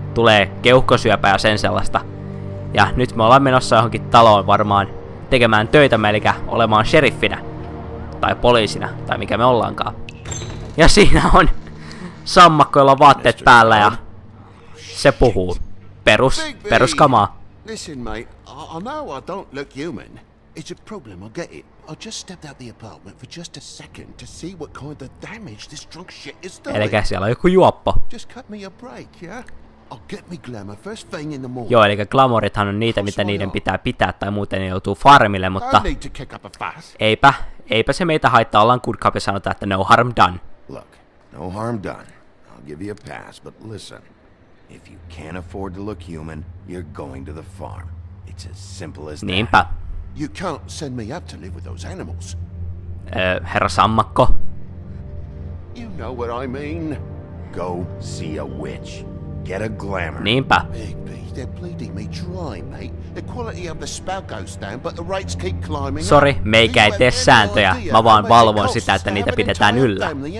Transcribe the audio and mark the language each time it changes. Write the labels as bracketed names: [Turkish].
[Finnish] Tulee keuhkosyöpä ja sen sellaista. Ja nyt me ollaan menossa johonkin taloon varmaan tekemään töitä, eli olemaan sheriffinä. Tai poliisina, tai mikä me ollaankaan. Ja siinä on sammakko, jolla on vaatteet päällä ja se puhuu. Peruskamaa. [English] Listen mate, I know I don't look human. It's a problem, I get it. I just stepped out the apartment for just a second to see what kind of damage this drunk shit is doing. [Finnish] Elikkä siellä on joku juoppo. [English] Just cut me a break, yeah? I'll get me glamour first thing in the morning. [Finnish] Joo, elikkä glamourithan on niitä, mitä niiden pitää pitää tai muuten ne joutuu farmille, mutta [English] I need to kick up a fuss. [Finnish] Eipä se meitä haittaa, ollaan good cop ja sanotaan, että [English] no harm done. Look, no harm done. I'll give you a pass, but listen. If you can't afford to look human, you're going to the farm. It's as simple as that. [Finnish] Niinpä. [English] You can't send me up to live with those animals. [Finnish] Herra sammakko. [English] You know what I mean. Go see a witch. Get a glamour. [Finnish] Niinpä. [English] Bigby, they're bleeding me dry, mate. The quality of the spell goes down, but the rates keep climbing. [Finnish] Sorry, meikä ei tee sääntöjä. Mä vaan valvon sitä, että niitä pidetään yllä.